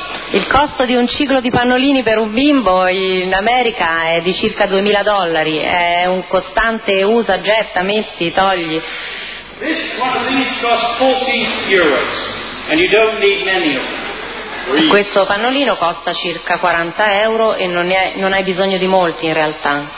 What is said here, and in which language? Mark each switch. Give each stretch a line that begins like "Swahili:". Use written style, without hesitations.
Italian: Il costo di un ciclo di pannolini per un bimbo in America è di circa $2,000. È un costante usa, getta, metti, togli.
English: This one of these costs 40 euros and you don't need many of them.
Italian: Questo pannolino costa circa 40 euro e non hai bisogno di molti in realtà.